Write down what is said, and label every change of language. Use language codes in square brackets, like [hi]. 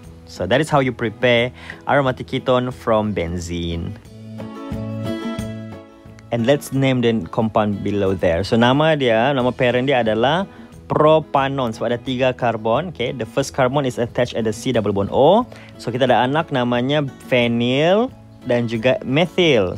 [en] So, that is how you prepare aromatic ketone from benzene. And let's name the compound below there. [ms] So, nama parent dia adalah propanone sebab ada 3 karbon. [en] Okay, the first carbon is attached at the C double bond O. [ms] So kita ada anak namanya vinyl dan juga methyl.